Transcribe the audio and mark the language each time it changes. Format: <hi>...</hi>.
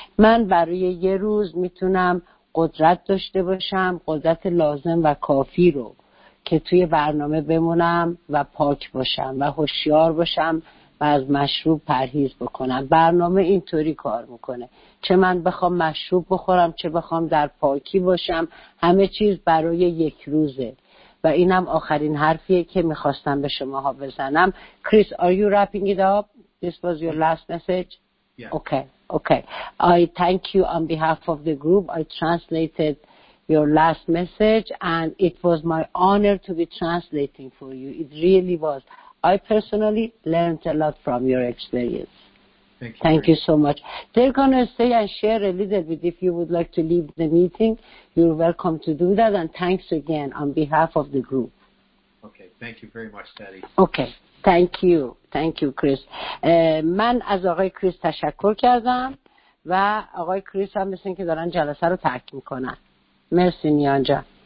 <fa>من برای یه روز میتونم قدرت داشته باشم، قدرت لازم و کافی رو که توی برنامه بمونم و پاک باشم و هوشیار باشم و از مشروب پرهیز بکنم. برنامه اینطوری کار میکنه، چه من بخوام مشروب بخورم چه بخوام در پاکی باشم، همه چیز برای یک روزه. و اینم آخرین حرفیه که میخواستم به شماها بزنم.</fa> <en>Chris, are you wrapping it up? This was your last message? Yeah. Okay. I thank you on behalf of the group. I translated your last message, and it was my honor to be translating for you. It really was. I personally learned a lot from your experience. Thank you so much. They're going to stay and share a little bit. If you would like to leave the meeting, you're welcome to do that. And thanks again on behalf of the group. Okay. Thank you very much, Daddy. Okay. Thank you, Chris.</en> <fa>من از آقای کریس تشکر کردم و آقای کریس هم مثل این که دارن جلسه رو ترک میکنن. مرسی نیانجا.</fa>